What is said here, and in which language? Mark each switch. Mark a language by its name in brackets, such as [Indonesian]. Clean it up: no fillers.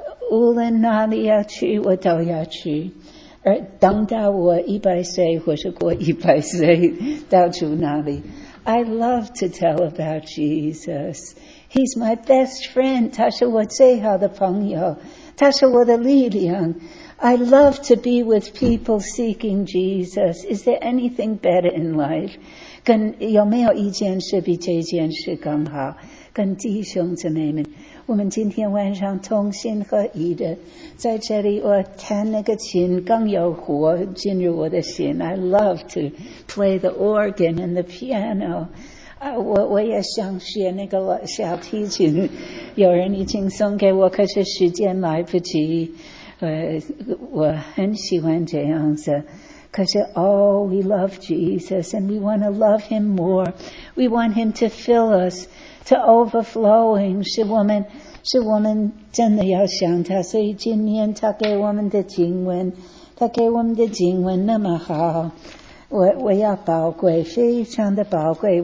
[Chinese] 无论哪里要去，我都要去。而等到我100岁，或是过100岁，到处哪里 ？ [English] I love to tell about Jesus. He's my best friend. [Chinese] 他是我最好的朋友，他是我的力量。 [English] I love to be with people seeking Jesus. Is there anything better in life? [Chinese] 跟有没有一件事比这件事更好？跟弟兄姊妹们。我们今天晚上同心合意的在这里，我弹那个琴更有活进入我的心。 [English] I love to play the organ and the piano. [Chinese] 我也想学那个小提琴，有人已经送给我，可是时间来不及。我很喜欢这样子。可是 [English] oh, we love Jesus and we want to love him more. We want him to fill us. To overflowing, [Chinese] 是我们真的要想他，所以今天他给我们的经文，他给我们的经文那么好，我要宝贵，非常的宝贵。